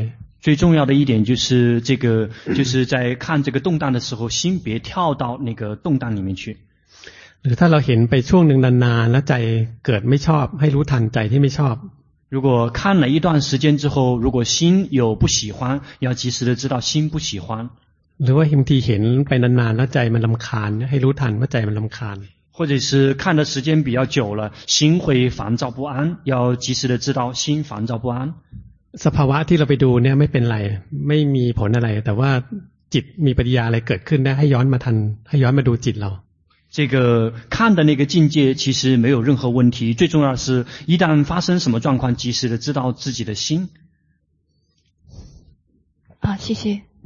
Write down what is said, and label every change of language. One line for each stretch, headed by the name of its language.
Chinese: ๆ最重要的一点就是这个就是在看这个动荡的时候心别跳到那个动荡里面去
Thai: หรือถ้าเราเห็นไปช่วงหนึ่งนานๆแล้วใจเกิดไม่ชอบให้รู้ทันใจที่ไม่ชอบ
Chinese: 如果看了一段时间之后如果心有不喜欢要及时的知道心不喜欢
Thai: หรือว่าบางทีเห็นไปนานๆแล้วใจมันรำคาญให้รู้ทันว่าใจมันรำคาญ
Chinese: 或者是看的时间比较久了心会烦躁不安要及时的知道心烦躁不安
Thai: สภาวะที่เราไปดูเนี่ยไม่เป็นไรไม่มีผลอะไรแต่ว่าจิตมีปฏิกิริยาอะไรเกิดขึ้นได้ให้ย้อนมาทันให้ย้อนมาดูจิตเรา
Chinese: 这个看的那个境界其实没有任何问题最重要的是一旦发生什么状况及时的知道自己的心好谢谢